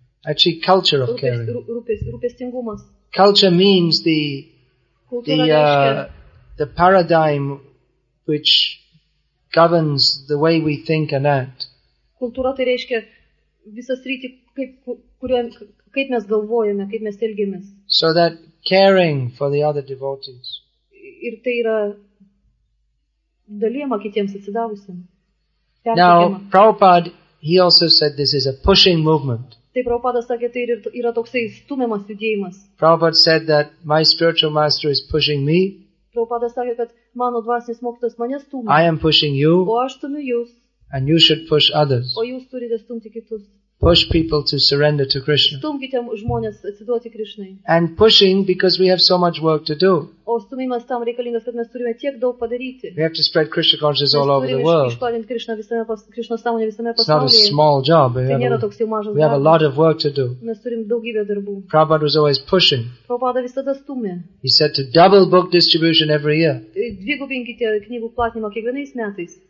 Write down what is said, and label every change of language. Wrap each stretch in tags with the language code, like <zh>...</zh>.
<en>Actually, culture of caring.</en> <lt>Rūpestingumas.</lt> <en>Culture means the paradigm which governs the way we think and act.</en> <lt>Kultūra tai reiškia visą sritį, kaip mes galvojame, kaip mes elgiamės.</lt> <en>So that caring for the other devotees.</en> <lt>Ir tai yra dalijama kitiems atsidavusiems.</lt> <en>Now, Prabhupada, he also said this is a pushing movement.</en> <lt>Tai Prabhupada sakė, tai yra toksai stumiamas judėjimas.</lt> <en>Prabhupada said that my spiritual master is pushing me.</en> <lt>Prabhupada sakė, kad mano dvasinis mokytas mane stumia.</lt> <en>I am pushing you.</en> <lt>O aš stumiu jūs.</lt> <en>And you should push others.</en> <lt>O jūs turite stumti kitus.</lt> <en>Push people to surrender to Krishna.</en> <lt>Stumkite žmonės atsiduoti Krishnai.</lt> <en>And pushing because we have so much work to do.</en> <lt>O stumimas tam reikalingas, kad mes turime tiek daug padaryti.</lt> <en>We have to spread Krishna consciousness all over the world.</en> <lt>Mes turime išplatinti Krishna sąmonę visame pasaulyje.</lt> <en>It's not a small job. We have a lot of work to do.</en> <lt>Mes turime daugybę darbų.</lt> <en>Prabhupada was always pushing.</en> <lt>Prabhupada visada stumė.</lt> <en>He said to double book distribution every year.</en> <lt>Dvigubinkite knygų platinimą kiekvienais metais.</lt>